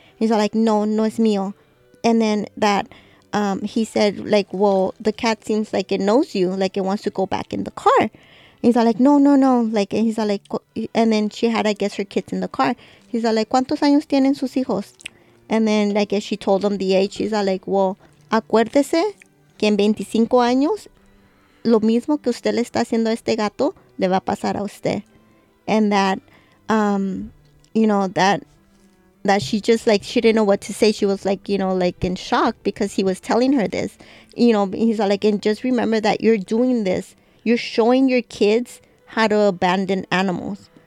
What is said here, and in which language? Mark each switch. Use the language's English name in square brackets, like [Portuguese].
[English] He's like, no, it's mio. And then that he said, like, well, the cat seems like it knows you. Like, it wants to go back in the car. He's like, no. Like, and he's like, and then she had, I guess, her kids in the car. He's like, [Spanish] ¿cuántos años tienen sus hijos? [English] And then, I guess, she told him the age. He's like, well, [Spanish] acuérdese que en 25 años, lo mismo que usted le está haciendo a este gato, le va a pasar a usted. [English] And that, you know, that she just, like, she didn't know what to say. She was, like, you know, like, in shock because he was telling her this. You know, he's like, and just remember that you're doing this. You're showing your kids how to abandon animals.